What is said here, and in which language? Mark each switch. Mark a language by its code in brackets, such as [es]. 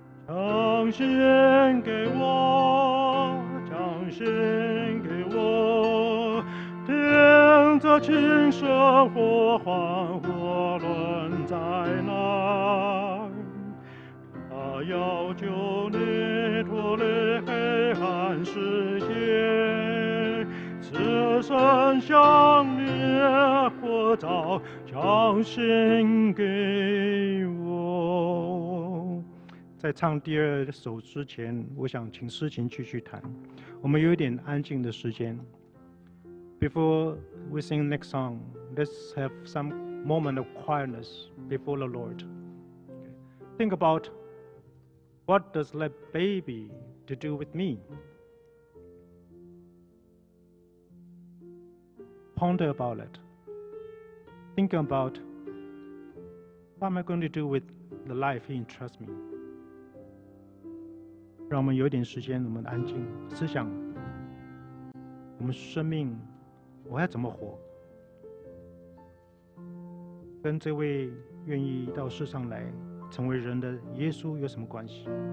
[zh] 将心给我，将心给我，听着琴声呼唤我，论在哪，他要救你脱离黑暗世界，此生向你过早将心给我。在唱第二首之前，我想请诗琴继续弹，我们有一点安静的时间。 [en] Before we sing the next song, let's have some moment of quietness before the Lord. Think about what does that baby to do with me? Ponder about it. Think about what am I going to do with the life He entrusts me? [zh] 让我们有点时间，我们安静思想我们生命，我要怎么活，跟这位愿意到世上来成为人的耶稣有什么关系。